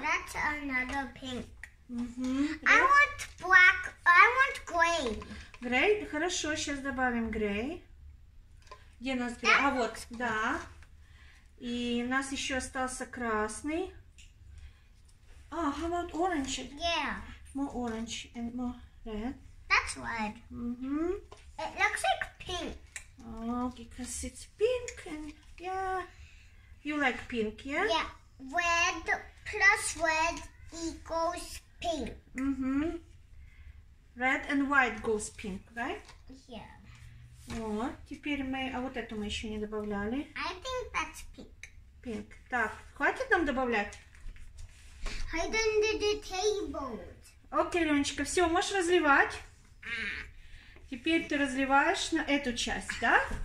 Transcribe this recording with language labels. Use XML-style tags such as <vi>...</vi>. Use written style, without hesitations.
<en>That's another pink. Mm-hmm. I want black. I want gray.</en> <ru>Грей, хорошо, сейчас добавим грей. Где у нас грей? А вот, да. И у нас еще остался красный.</ru> <en>А, oh, how about orange? Yeah. More orange and more red. That's red. It looks like pink. Oh, because it's pink and yeah. You like pink, yeah? Yeah. Red plus red equals pink. Red and white goes pink, right? Yeah.</en> <ru>Вот, теперь мы... А вот эту мы еще не добавляли.</ru> <en>I think that's pink. Pink.</en> <ru>Так, хватит нам добавлять?</ru> <en>Hide under the table.</en> <ru>Окей, Ленечка, все, можешь разливать. Теперь ты разливаешь на эту часть, да?</ru>